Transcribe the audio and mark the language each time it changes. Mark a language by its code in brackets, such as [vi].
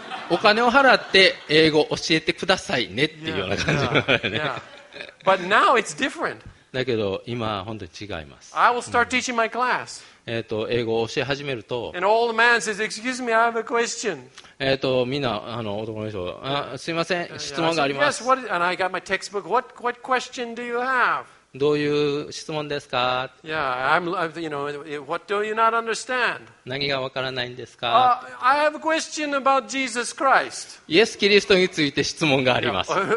[ja] お金を払って英語を教えてくださいねっていうような感じになるね。 [en] But now it's different. [ja] だけど今は本当に違います。 [en] I will start teaching my class. [ja] 英語を教え始めると、 [en] And old man says, "Excuse me, I have a question." [ja] みんな男の人、すいません、質問があります。 [en] Yes, what? And I got my textbook. What question do you have? [ja] どういう質問ですか? [en] Yeah, what do you not understand? [ja] 何がわからないんですか? [en] I have a question about Jesus Christ. [ja] イエス・キリストについて質問があります。